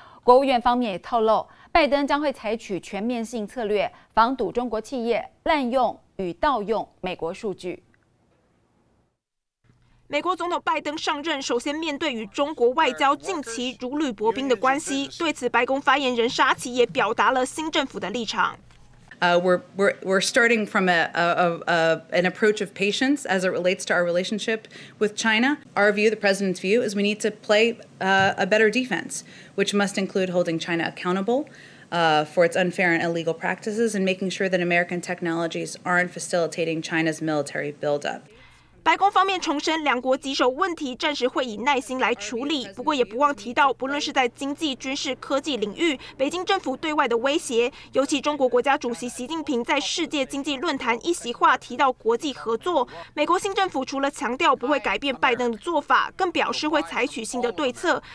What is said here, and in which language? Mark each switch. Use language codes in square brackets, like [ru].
[zh] 国务院方面也透露，拜登将会采取全面性策略，防堵中国企业滥用与盗用美国数据。美国总统拜登上任，首先面对与中国外交近期如履薄冰的关系。对此，白宫发言人沙奇也表达了新政府的立场。 [en] We're starting from an approach of patience as it relates to our relationship with China. Our view, the president's view, is we need to play a better defense, which must include holding China accountable for its unfair and illegal practices, and making sure that American technologies aren't facilitating China's military buildup. [zh] 白宫方面重申，两国棘手问题暂时会以耐心来处理。不过，也不忘提到，不论是在经济、军事、科技领域，北京政府对外的威胁，尤其中国国家主席习近平在世界经济论坛一席话提到国际合作，美国新政府除了强调不会改变拜登的做法，更表示会采取新的对策。